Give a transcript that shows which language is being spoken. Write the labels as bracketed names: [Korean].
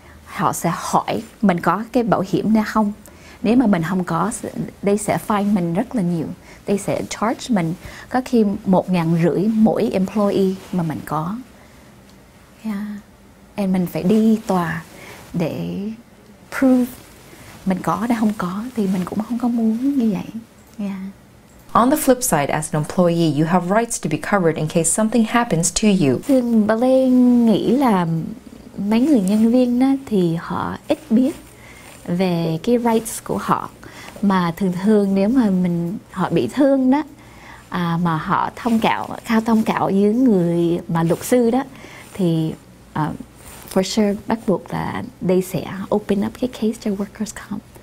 [Vietnamese] Họ sẽ hỏi mình có cái bảo hiểm nào không. Nếu mà mình không có, they sẽ fine mình rất là nhiều. They sẽ charge mình có khi 1,500 mỗi employee mà mình có. Yeah. And mình phải đi tòa để prove mình có hay không có. Thì mình cũng không có muốn như vậy. Yeah. [English] On the flip side, as an employee, you have rights to be covered in case something happens to you. [Vietnamese] Thường bà Lê nghĩ là mấy người nhân viên đó thì họ ít biết về cái rights của họ, mà thường thường nếu mà mình họ bị thương đó mà họ thông cảm, khao thông cảm với người mà luật sư đó thì [English] for sure [Vietnamese] bắt buộc là they sẽ [English] open up [Vietnamese] cái case cho workers comp.